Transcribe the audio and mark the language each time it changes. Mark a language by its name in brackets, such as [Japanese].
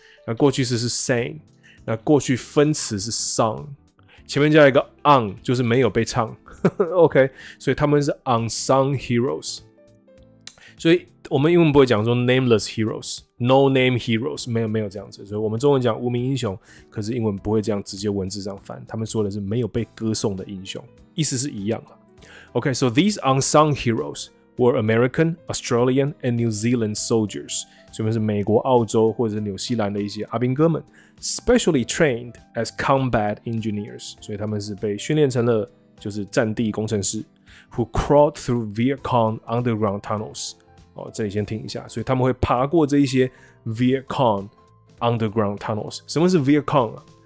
[Chinese] 那过去式是 sang， 那过去分词是 song， 前面加一个 un 就是没有被唱，OK， 所以他们是 unsung heroes。所以我们英文不会讲说 [English] nameless heroes， no name heroes， [Chinese] 没有这样子。所以我们中文讲无名英雄，可是英文不会这样直接文字上翻，他们说的是没有被歌颂的英雄，意思是一样的。 [English] OK， so these unsung heroes were American, Australian, and New Zealand soldiers。 [Chinese] 这边是美国、澳洲或者是纽西兰的一些阿兵哥们 ， [English] specially trained as combat engineers， [Chinese] 所以他们是被训练成了就是战地工程师 ， [English] who crawled through Viet Cong underground tunnels。 [Chinese] 哦，这里先听一下，所以他们会爬过这一些 [English] Viet Cong underground tunnels。 [Chinese] 什么是 Viet Cong 啊？